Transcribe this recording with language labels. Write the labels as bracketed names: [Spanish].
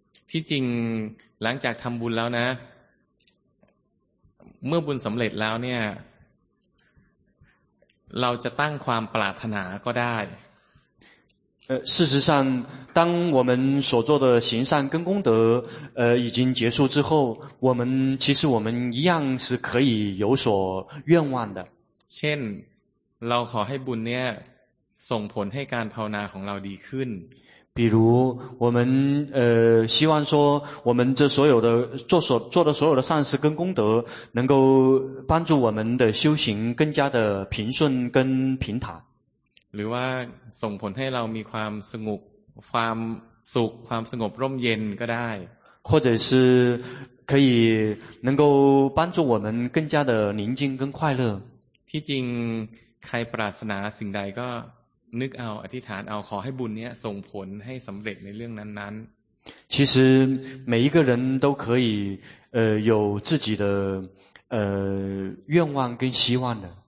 [Thai] ที่จริงหลังจากทำบุญแล้วนะเมื่อบุญสำเร็จแล้วเนี่ยเราจะตั้งความปรารถนาก็ได้ [Chinese] 事实上当我们所做的行善跟功德已经结束之后我们其实我们一样是可以有所愿望的 [Thai] เช่นเราขอให้บุญเนี่ยส่งผลให้การภาวนาของเราดีขึ้น [Chinese] 比如我们希望说我们这所有的做的所有的善事跟功德能够帮助我们的修行更加的平顺跟平坦 [Thai] หรือว่าส่งผลให้เรามีความสงบความสุขความสงบร่มเย็นก็ได้ [Chinese] 或者是可以能够帮助我们更加的宁静跟快乐 [Thai] ที่จริงใครปรารถนาสิ่งใดก็นึกเอาอธิษฐานเอาขอให้บุญเนี้ยส่งผลให้สำเร็จในเรื่องนั้น [Chinese] ๆ其实每一个人都可以有自己的愿望跟希望的